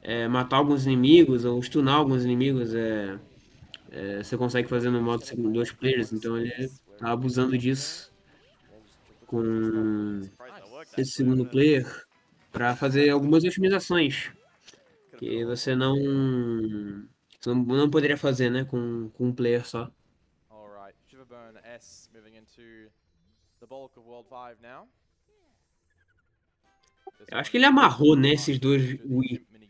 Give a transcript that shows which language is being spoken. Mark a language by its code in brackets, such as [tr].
[pt] Matar alguns inimigos ou stunar alguns inimigos você consegue fazer no modo segundo dois players, então ele tá abusando disso com esse segundo player para fazer algumas otimizações que você não poderia fazer, né, com um player só. [en] Shiverburn S moving into the bulk of World 5 now. [pt] Eu acho que ele amarrou, né, esses dois Wii.